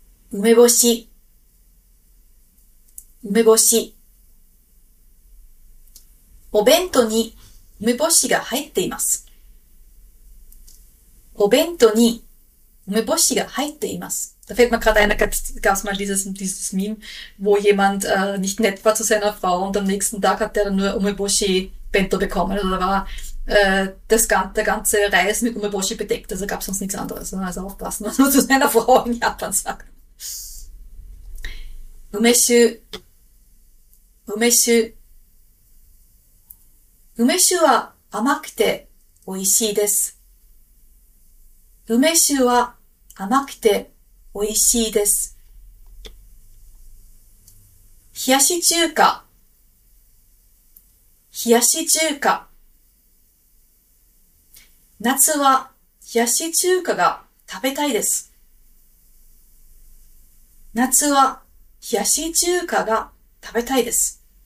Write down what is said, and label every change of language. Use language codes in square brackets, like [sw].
[ja] 梅干し、梅干し。お弁当に梅干しが入っています。お弁当に梅干しが入っています。 [de] Da fällt mir gerade ein, da gab es mal dieses Meme, wo jemand nicht nett war zu seiner Frau und am nächsten Tag hat er dann nur Umeboshi Bento bekommen. Also da war der ganze Reis mit Umeboshi bedeckt, also gab es sonst nichts anderes. Also aufpassen, was man zu seiner Frau in Japan sagt. [ja] Umeshu. Umeshu. Umeshu wa amakute oishii desu. Umeshu wa amakute おいしいです。冷やし中華、冷やし中華。夏は冷やし中華が食べたいです。夏は冷やし中華が食べたいです。